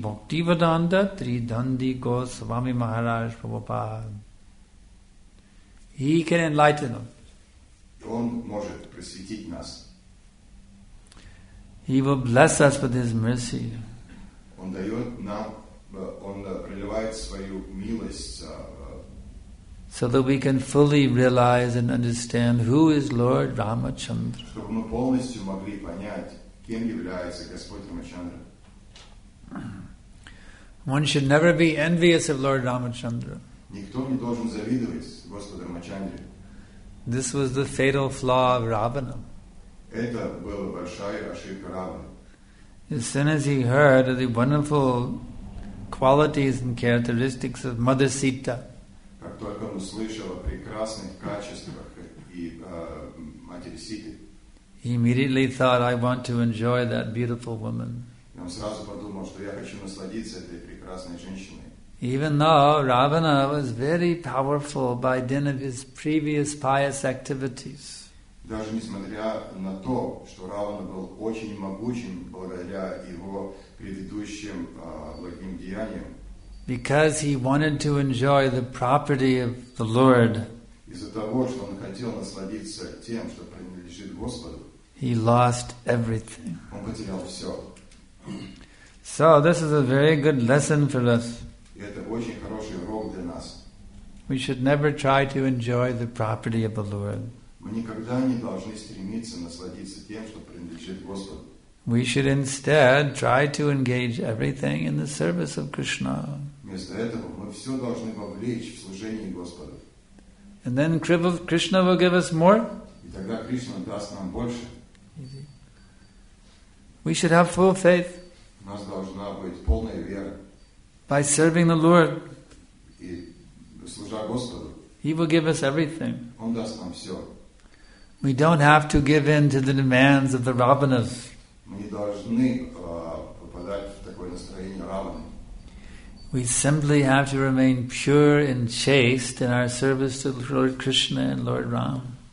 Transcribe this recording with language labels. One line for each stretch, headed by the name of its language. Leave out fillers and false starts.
English: Bhaktivedanta Tridandi Goswami Maharaj Prabhupada. He can enlighten them.
Russian: Он может просветить нас.
English: He will bless us with His mercy.
Russian: Он дает нам, Он проливает свою милость,
English: so that we can fully realize and understand who is Lord Ramachandra.
Russian: Чтобы мы полностью могли понять, кем является Господь Рамачандра.
English: One should never be envious of Lord Ramachandra.
Russian: Никто не должен завидовать Господу Рамачандре.
English: This was the fatal flaw of Ravana.
Russian: Это была большая ошибка Равана.
English: As soon as he heard of the wonderful qualities and characteristics of Mother Sita,
Russian: как только он услышал о прекрасных качествах и матери Сити,
English: he immediately thought, "I want to enjoy that beautiful woman."
Russian: Он сразу подумал, что я хочу насладиться этой прекрасной женщиной.
English: Even though Ravana was very powerful by dint of his previous pious activities,
Russian: даже несмотря на то, что Равана был очень могучим благодаря его предыдущим благим деяниям,
English: because he wanted to enjoy the property of the Lord,
Russian: из-за того, что он хотел насладиться тем, что принадлежит Господу,
English: he lost everything.
Russian: Он потерял все.
English: So this is a very good lesson for us.
Russian: Это очень хороший урок для нас.
English: We should never try to enjoy the property of the Lord.
Russian: Мы никогда не должны стремиться насладиться тем, что принадлежит Господу.
English: We should instead try to engage everything in the service of Krishna.
Russian: Вместо этого мы все должны вовлечь в служение Господу.
English: And then Krishna will give us more.
Russian: И тогда Кришна даст нам больше.
English: We should have full faith.
Russian: У нас должна быть полная вера.
English: By serving the Lord,
Russian: и служа Господу,
English: He will give us everything.
Russian: Он даст нам все.
English: We don't have to give in to the demands of the Ravanas.
Russian: Мы не должны попадать в такое настроение Равана.
English: We simply have to remain pure and chaste in our service to Lord Krishna and Lord Ram.